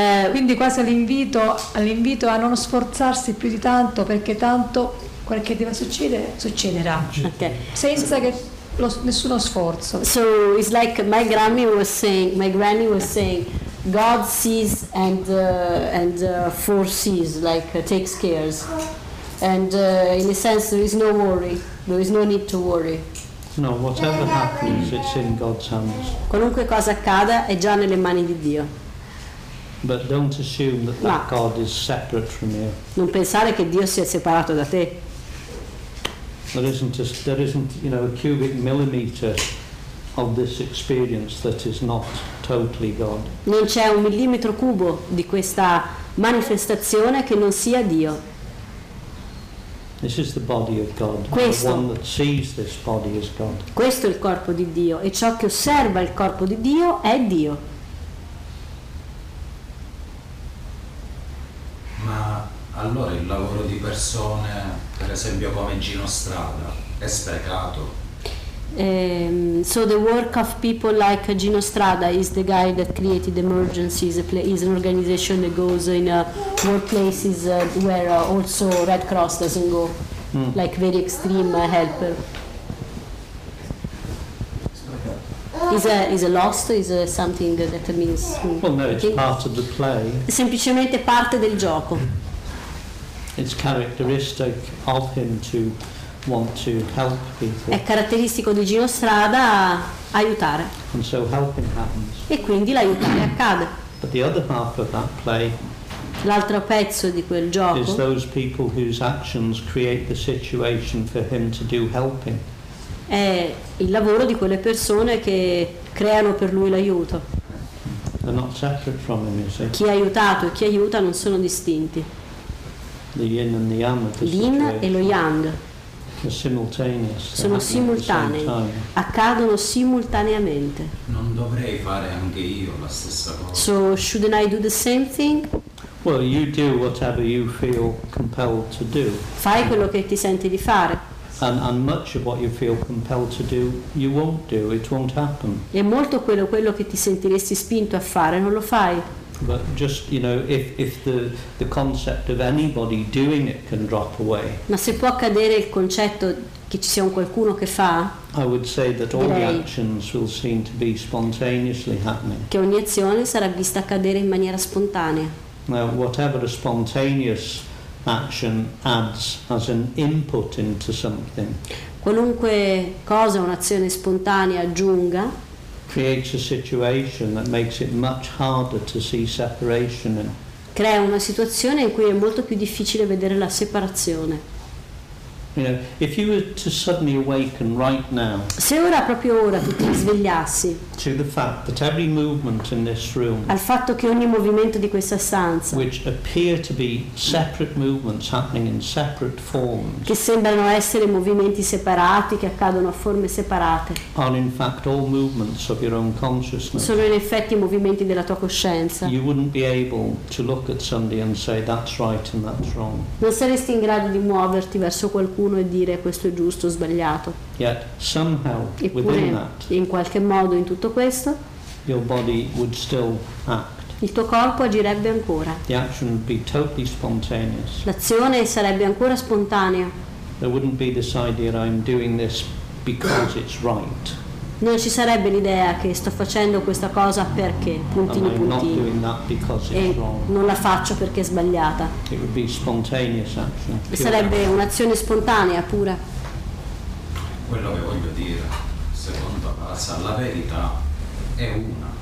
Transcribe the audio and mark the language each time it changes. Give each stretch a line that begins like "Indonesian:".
Italian: Quindi quasi all'invito a non sforzarsi più di tanto, perché tanto quel che deve succedere succederà.
English: Okay.
Italian: Senza che nessuno sforzo.
English: So it's like my granny was saying God sees and foresees, like takes cares, and in a sense there is no worry, there is no need to worry. No, whatever happens, it's in God's hands.
Italian: Qualunque cosa accada è già nelle mani di Dio.
English: But don't assume that God is separate from you.
Italian: Non pensare che Dio sia separato da te.
English: There isn't, you know, a cubic millimeter of this experience that is not totally God.
Italian: Non c'è un millimetro cubo di questa manifestazione che non sia Dio.
English: This is the body of God.
Italian: Questo.
English: The one that sees this body is God.
Italian: Questo è il corpo di Dio e ciò che osserva il corpo di Dio è Dio. Ma allora il lavoro di persone, per esempio come Gino Strada, è sprecato?
English: So the work of people like Gino Strada is the guy that created Emergencies, is an organization that goes in workplaces where also Red Cross doesn't go, like very extreme helper. Is a lost, is a something that means... it's part of the play.
Italian: Semplicemente parte del gioco.
English: It's characteristic of him to want to help people.
Italian: È caratteristico di Gino Strada aiutare.
English: And so helping happens.
Italian: E quindi l'aiutare accade.
English: But the other half of that play,
Italian: l'altro pezzo di quel gioco,
English: is those people whose actions create the situation for him to do helping.
Italian: È il lavoro di quelle persone che creano per lui l'aiuto.
English: They're not separate from him, you see.
Italian: Chi ha aiutato e chi aiuta non sono distinti.
English: The yin and the yang of the yin situation.
Italian: E lo yang
English: simultaneous.
Italian: Sono simultanei, accadono simultaneamente. Non dovrei fare anche io la stessa cosa?
English: So shouldn't I do the same thing? Well, you do whatever you feel compelled to do.
Italian: Fai quello che ti senti di fare.
English: And much of what you feel compelled to do, you won't do. It won't happen.
Italian: E molto quello che ti sentiresti spinto a fare, non lo fai.
English: But just, you know, if the concept of anybody doing it can drop away.
Italian: Ma se può accadere il concetto che ci sia un qualcuno che fa.
English: I would say that all the actions will seem to be spontaneously happening.
Italian: Che ogni azione sarà vista accadere in maniera spontanea.
English: Now, whatever a spontaneous action adds as an input into something.
Italian: Qualunque cosa un'azione spontanea aggiunga.
English: Creates a situation that makes it much harder to see separation in.
Italian: Crea una situazione in cui è molto più difficile vedere la separazione.
English: You know, if you were to suddenly awaken right now.
Italian: Se ora proprio ora tu ti svegliassi.
English: To the fact that every movement in this room.
Italian: Al fatto che ogni movimento di questa stanza.
English: Which appear to be separate movements happening in separate forms.
Italian: Che sembrano essere movimenti separati che accadono a forme separate.
English: Are in fact all movements of your own consciousness.
Italian: Sono in effetti movimenti della tua coscienza.
English: You wouldn't be able to look at somebody and say that's right and that's wrong.
Italian: Non saresti in grado di muoverti verso qualcuno e dire questo è giusto o sbagliato.
English: Yet, somehow,
Italian: eppure in qualche modo in tutto questo
English: your body would still act.
Italian: Il tuo corpo agirebbe ancora.
English: The action would be totally spontaneous.
Italian: L'azione sarebbe ancora spontanea.
English: There wouldn't be this idea I'm doing this because it's right.
Italian: Non ci sarebbe l'idea che sto facendo questa cosa perché puntini
English: I'm
Italian: puntini
English: not doing that because it's
Italian: e
English: wrong.
Italian: Non la faccio perché è sbagliata.
English: It would be spontaneous action, pure.
Italian: Sarebbe
English: action.
Italian: Un'azione spontanea pura. Quello che voglio dire, secondo Avasa, la verità è una.